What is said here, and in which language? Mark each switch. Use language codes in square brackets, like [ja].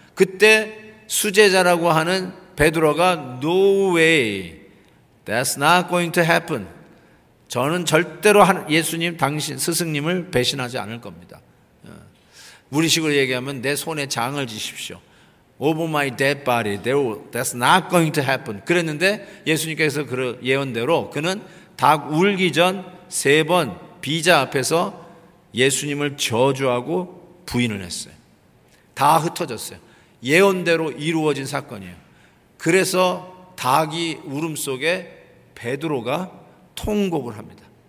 [ko] 그때 수제자라고 하는 베드로가 [en] No way, that's not going to happen. [ko] 저는 절대로 예수님 당신 스승님을 배신하지 않을 겁니다. 우리식으로 얘기하면 내 손에 장을 지십시오. [en] Over my dead body, that's not going to happen. [ko] 그랬는데 예수님께서 그 예언대로 그는 닭 울기 전 세 번 비자 앞에서 예수님을 저주하고 부인을 했어요. 다 흩어졌어요. 예언대로 이루어진 사건이에요. 그래서 닭이 울음 속에 베드로가 통곡을 합니다.